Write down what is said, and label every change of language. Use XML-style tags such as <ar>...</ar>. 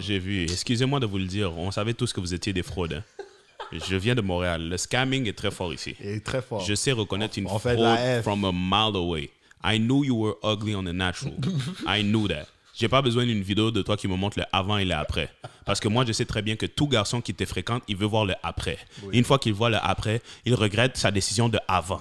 <fr>J'ai vu, excusez-moi de vous le dire, on savait tous que vous étiez des fraudes, hein. Je viens de Montréal. Le scamming est très fort ici. Il est très fort. Je sais reconnaître une fraude</fr> <en>from a mile away. I knew you were ugly on the natural. I knew that.</en> <fr>J'ai pas besoin d'une vidéo de toi qui me montre le avant et le après. Parce que moi, je sais très bien que tout garçon qui te fréquente, il veut voir le après. Oui. Une fois qu'il voit le après, il regrette sa décision de avant.</fr>